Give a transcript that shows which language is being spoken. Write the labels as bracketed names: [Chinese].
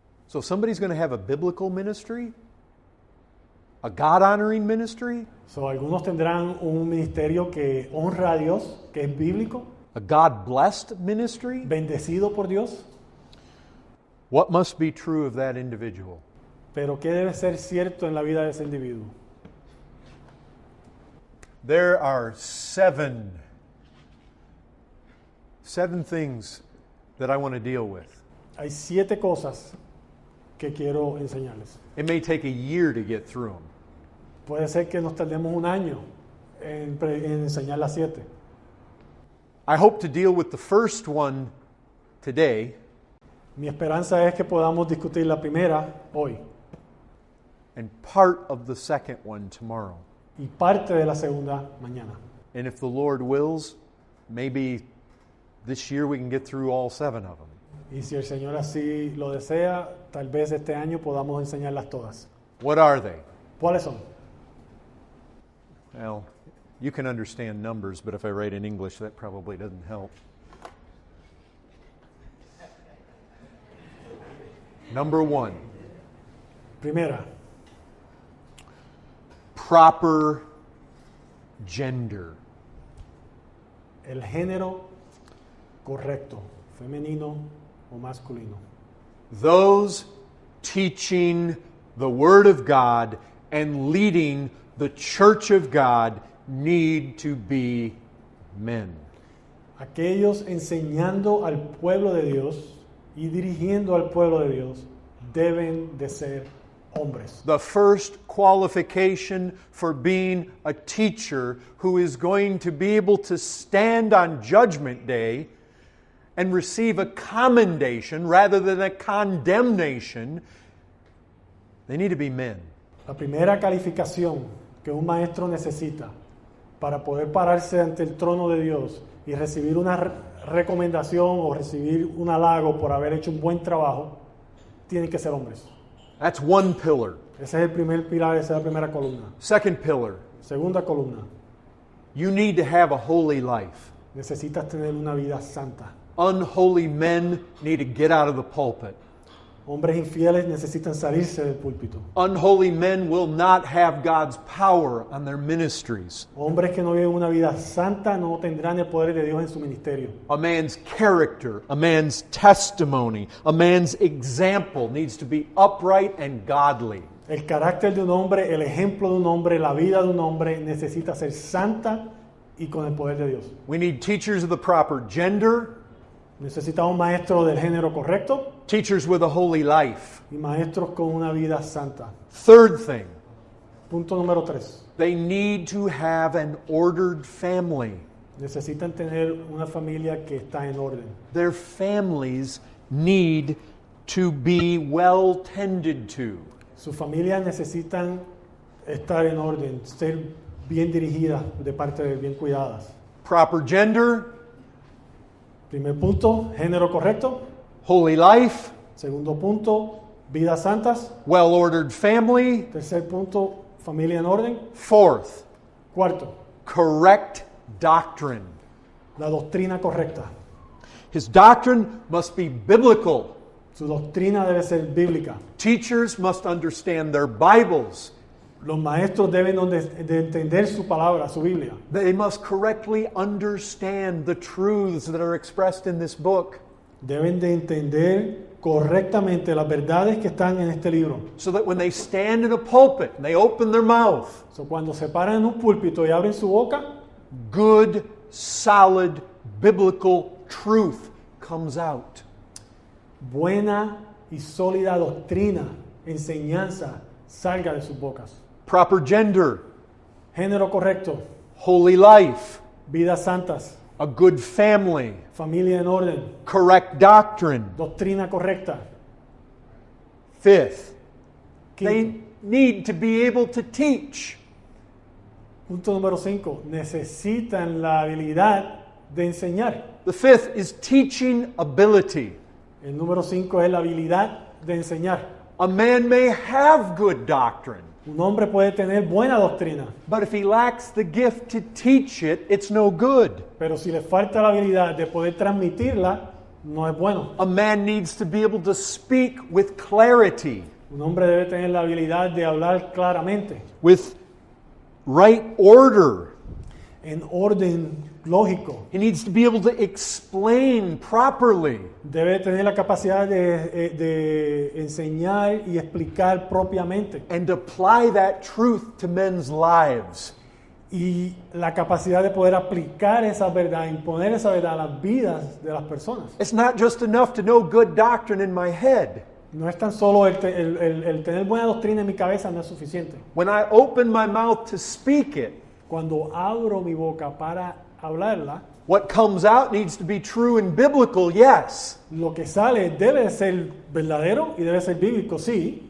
[English] So if somebody's going to have a biblical ministry, a God-honoring ministry, [Spanish] so algunos tendrán un ministerio que honra a Dios, que es bíblico, [English] a God-blessed ministry, [Spanish] bendecido por Dios. [English] What must be true of that individual? [Spanish] Pero ¿qué debe ser cierto en la vida de ese individuo? [English] There are seven things that I want to deal with. [Spanish] Hay siete cosas que quiero enseñarles. [English] It may take a year to get through them. [Spanish] Puede ser que nos tardemos un año en enseñar las siete. [English] I hope to deal with the first one today. [Spanish] Mi esperanza es que podamos discutir la primera hoy. [English] And part of the second one tomorrow. [Spanish] Y parte de la segunda mañana. [English] And if the Lord wills, maybe this year we can get through all seven of them. [Spanish] Y si el Señor así lo desea, tal vez este año podamos enseñarlas todas. [English] What are they? [Spanish] ¿Cuáles son? [English] Well, you can understand numbers, but if I write in English, that probably doesn't help. Number one. [Spanish] Primera. [English] Proper gender. [Spanish] El género correcto, femenino o masculino. [English] Those teaching the Word of God and leading the Church of God need to be men. [Spanish] Aquellos enseñando al pueblo de Dios y dirigiendo al pueblo de Dios deben de ser hombres. [English] The first qualification for being a teacher who is going to be able to stand on Judgment Day and receive a commendation rather than a condemnation, they need to be men. [Spanish] La primera calificación que un maestro necesita para poder pararse ante el trono de Dios y recibir una recomendación o recibir un halago por haber hecho un buen trabajo, tienen que ser hombres. [English] That's one pillar. [Spanish] Ese es el primer pilar, esa es la primera columna. [English] Second pillar. [Spanish] Segunda columna. [English] You need to have a holy life. [Spanish] Necesitas tener una vida santa. [English] Unholy men need to get out of the pulpit. [Spanish] Hombres infieles necesitan salirse del púlpito. [English] Unholy men will not have God's power on their ministries. [Spanish] Hombres que no viven una vida santa no tendrán el poder de Dios en su ministerio. [English] A man's character, a man's testimony, a man's example needs to be upright and godly. [Spanish] El carácter de un hombre, el ejemplo de un hombre, la vida de un hombre necesita ser santa y con el poder de Dios. [English] We need teachers of the proper gender. [Spanish] Necesitamos maestros del género correcto. [English] Teachers with a holy life. [Spanish] Y maestros con una vida santa. [English] Third thing. [Spanish] Punto número tres. [English] They need to have an ordered family. [Spanish] Necesitan tener una familia que está en orden. [English] Their families need to be well tended to. [Spanish] Sus familias necesitan estar en orden, ser bien dirigidas de parte de bien cuidadas. [English] Proper gender. [Spanish] Primer punto, género correcto. [English] Holy life. [Spanish] Segundo punto, vidas santas. [English] Well-ordered family. [Spanish] Tercer punto, familia en orden. [English] Fourth. [Spanish] Cuarto. [English] Correct doctrine. [Spanish] La doctrina correcta. [English] His doctrine must be biblical. [Spanish] Su doctrina debe ser bíblica. [English] Teachers must understand their Bibles. [Spanish] Los maestros deben de entender su palabra, su Biblia. [English] They must correctly understand the truths that are expressed in this book. [Spanish] Deben de entender correctamente las verdades que están en este libro. [English] So that when they stand in a pulpit and they open their mouth. [Spanish] So cuando se paran en un púlpito y abren su boca. [English] Good, solid, biblical truth comes out. [Spanish] Buena y sólida doctrina, enseñanza, salga de sus bocas. [English] Proper gender. [Spanish] Género correcto. [English] Holy life. [Spanish] Vidas santas. [English] A good family. [Spanish] Familia en orden. [English] Correct doctrine. [Spanish] Doctrina correcta. [English] Fifth. [Spanish] Quinto. [English] They need to be able to teach. [Spanish] Punto número cinco. Necesitan la habilidad de enseñar. [English] The fifth is teaching ability. [Spanish] El número cinco es la habilidad de enseñar. [English] A man may have good doctrine. [Spanish] Un hombre puede tener buena doctrina. [English] But if he lacks the gift to teach it, it's no good. [Spanish] Pero si le falta la habilidad de poder transmitirla, no es bueno. [English] A man needs to be able to speak with clarity. [Spanish] Un hombre debe tener la habilidad de hablar claramente. [English] With right order. [Spanish] En orden lógico. [English] He needs to be able to explain properly. [Spanish] Debe tener la capacidad de enseñar y explicar propiamente. [English] And apply that truth to men's lives. [Spanish] Y la capacidad de poder aplicar esa verdad, imponer esa verdad a las vidas de las personas. [English] It's not just enough to know good doctrine in my head. [Spanish] No es tan solo el tener buena doctrina en mi cabeza, no es suficiente. [English] When I open my mouth to speak it, [Spanish] cuando abro mi boca para hablarla, [English] what comes out needs to be true and biblical, yes. [Spanish] Lo que sale debe ser verdadero y debe ser bíblico, sí.